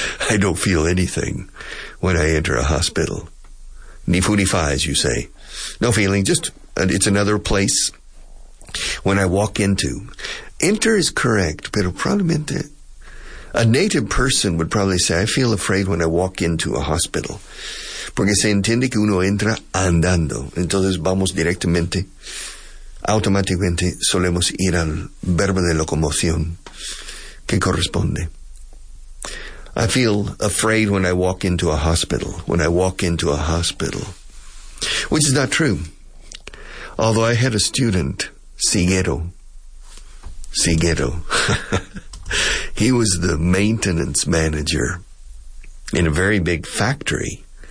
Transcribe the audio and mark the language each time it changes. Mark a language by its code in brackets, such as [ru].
[en] I don't feel anything when I enter a hospital. [es] Ni fu ni fa, [en] as you say. No feeling, just it's another place. When I walk into, enter is correct, [es] pero probablemente, [en] a native person would probably say, I feel afraid when I walk into a hospital. [es] Porque se entiende que uno entra andando. Entonces vamos directamente, automáticamente, solemos ir al verbo de locomoción que corresponde. [en] I feel afraid when I walk into a hospital. When I walk into a hospital. Which is not true. Although I had a student, Siguero. He was the maintenance manager in a very big factory.